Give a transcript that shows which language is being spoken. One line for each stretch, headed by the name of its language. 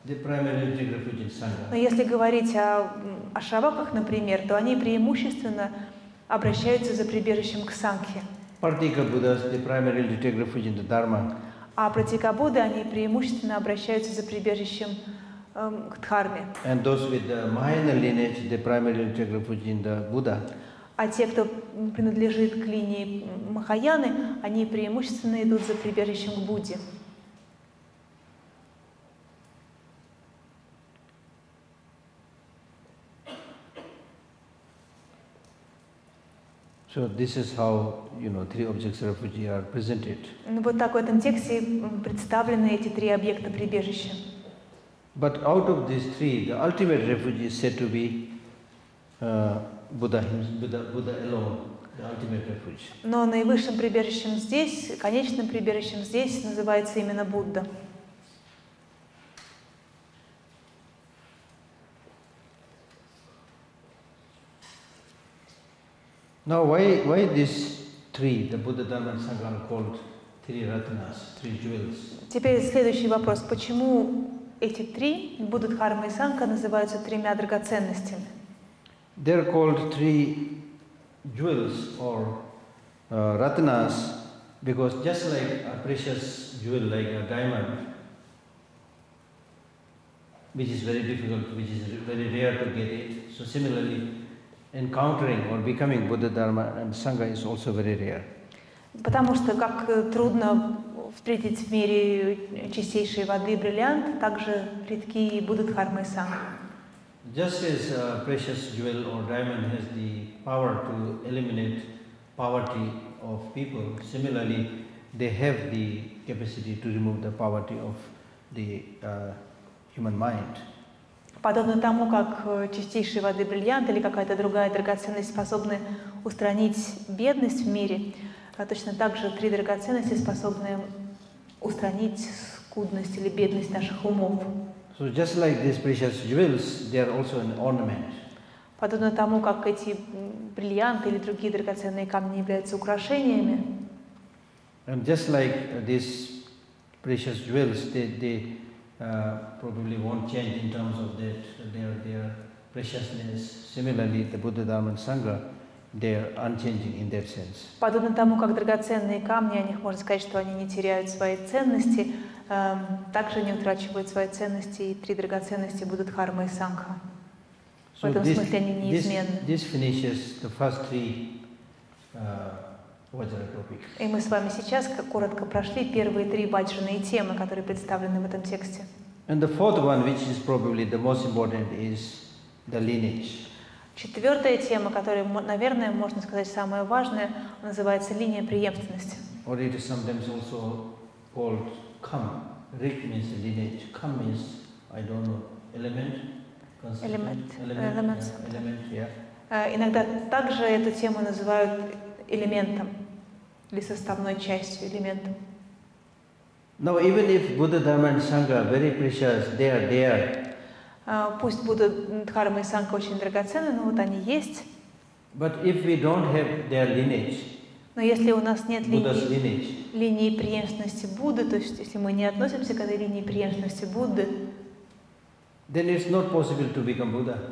Russian: Но если говорить о шаваках, например, то они преимущественно обращаются за прибежищем к сангхе.
English: Pratika Buddhas, they primarily take refuge in the Dharma.
Russian: А Pratika Buddha, они преимущественно обращаются за прибежищем к Дхарме.
English: And those with the Mahayana lineage, they primarily take refuge in the Buddha.
Russian: А те, кто принадлежит к линии Махаяны, они преимущественно идут за прибежищем к Будде.
English: So this is how, you know, three objects of refuge are presented.
Russian: Ну вот так в этом тексте представлены эти три объекта прибежища.
English: But out of these three, the ultimate refuge is said to be Buddha alone, the ultimate refuge.
Russian: Но наивысшим прибежищем здесь, конечным прибежищем здесь называется именно Будда.
English: Now, why these three, the Buddha, Dharma, and Sangha, are called three ratnas, three jewels?
Russian: Теперь следующий вопрос: почему эти три, Будда, Дхарма и Сангха, называются тремя драгоценностями?
English: They are called three jewels or ratnas because just like a precious jewel, like a diamond, which is very difficult, which is very rare to get it. So similarly. Encountering or becoming Buddha, Dharma and Sangha is also very rare.
Russian: Потому что как трудно встретить в мире чистейшей воды бриллиант, также редки и Будда, Дхарма и Сангха.
English: Just as a precious jewel or diamond has the power to eliminate poverty of people, similarly they have the capacity to remove the poverty of the human mind.
Russian: Подобно тому, как чистейшей воды бриллиант или какая-то другая драгоценность способны устранить бедность в мире, точно так же три драгоценности способны устранить скудность или бедность наших умов.
English: So just like these precious jewels, they are also an ornament.
Russian: Подобно тому, как эти бриллианты или другие драгоценные камни являются украшениями.
English: And just like these precious jewels, they probably won't change in terms of that their preciousness. Similarly, the Buddha, Dharma, and Sangha, They are unchanging in that sense.
Russian: Подобно тому, как драгоценные камни, о них можно сказать, что они не теряют свои ценности, также не утрачивают свои ценности, и три драгоценности будут харма и сангха. В этом смысле они неизменны.
English: This finishes the first three vajra topics.
Russian: И мы с вами сейчас коротко прошли первые три ваджраные темы, которые представлены в этом тексте.
English: And the fourth one, which is probably the most important, is the lineage.
Russian: Четвертая тема, которая, наверное, можно сказать, самая важная, называется линия преемственности.
English: Or it is sometimes also called kam. Rik means lineage. Kam means, I don't know, element.
Russian: Элемент. Иногда также эту тему называют элементом или составной частью элементом.
English: Now even if Buddha, Dharma and Sangha are very precious, they are there.
Russian: Пусть Будда, Дхарма и Сангха очень драгоценны, но вот они есть.
English: But if we don't have their lineage,
Russian: но если у нас нет линии преемственности Будды, то есть если мы не относимся к этой линии преемственности Будды,
English: then it's not possible to become Buddha.